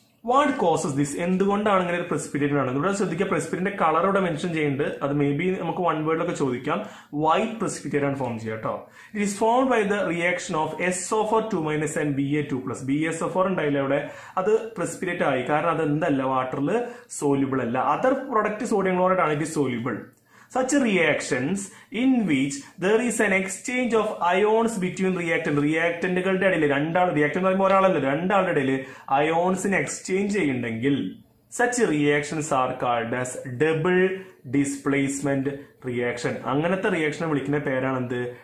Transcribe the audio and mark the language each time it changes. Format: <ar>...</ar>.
<en>what causes this,</en> <ml>എന്തുകൊണ്ടാണ് ഇങ്ങനെ ഒരു പ്രെസിപ്പിറ്റേറ്റ് ആണ്. ഇവിടെ ശ്രദ്ധിക്കുക, പ്രെസിപ്പിറ്റേറ്റിന്റെ കളർ ഇവിടെ മെൻഷൻ ചെയ്യുന്നുണ്ട്, അത് മേ ബി നമുക്ക് വൺ വേർഡിലൊക്കെ ചോദിക്കാം. വൈറ്റ് പ്രെസിപ്പിറ്റേറ്റ് ആണ് ഫോം ചെയ്യുക കേട്ടോ.</ml> <en>It is formed by the reaction of SO4 2- and Ba2+.</en> <ml>BaSO4 ഉണ്ടായില്ലേ അവിടെ, അത് പ്രെസിപ്പിറ്റേറ്റ് ആയി, കാരണം അത് എന്തല്ല, വാട്ടറിൽ സോല്യൂബിൾ അല്ല. അതർ പ്രൊഡക്റ്റ് സോഡിയം ക്ലോറൈഡ് ആണ്,</ml> <en>It is soluble. such reactions in which there is an exchange of ions between reactant.</en> <ml>Reactant ഇടയിൽ രണ്ടാൾ reactant എന്ന് പറയുമ്പോൾ രണ്ടാളുടെ ഇടയിൽ ions നെ എക്സ്ചേഞ്ച് ചെയ്യുന്നുണ്ടെങ്കിൽ</ml> <en>such reactions are called as double displacement reaction.</en> <ml>അങ്ങനത്തെ reaction വിളിക്കുന്ന പേരാണ് എന്ത്?</ml>